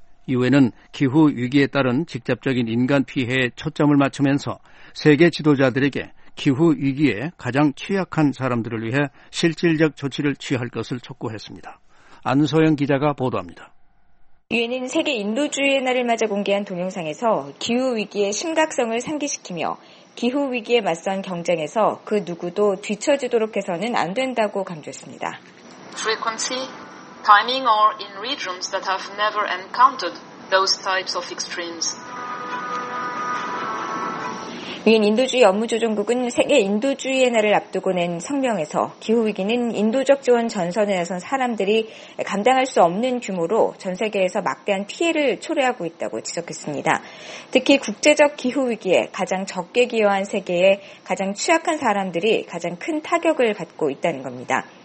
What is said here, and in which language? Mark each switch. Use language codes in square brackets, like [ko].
[ko] UN은 기후위기에 따른 직접적인 인간 피해에 초점을 맞추면서 세계 지도자들에게 기후위기에 가장 취약한 사람들을 위해 실질적 조치를 취할 것을 촉구했습니다. 안소영 기자가 보도합니다. UN은 세계 인도주의의 날을 맞아 공개한 동영상에서 기후위기의 심각성을 상기시키며 기후위기에 맞선 경쟁에서 그 누구도 뒤처지도록 해서는 안 된다고 강조했습니다. [en] Frequency, timing are in regions that have never encountered those types of extremes. [ko] 유엔 인도주의 업무조정국은 세계 인도주의의 날을 앞두고 낸 성명에서 기후위기는 인도적 지원 전선에 나선 사람들이 감당할 수 없는 규모로 전 세계에서 막대한 피해를 초래하고 있다고 지적했습니다. 특히 국제적 기후위기에 가장 적게 기여한 세계에 가장 취약한 사람들이 가장 큰 타격을 받고 있다는 겁니다.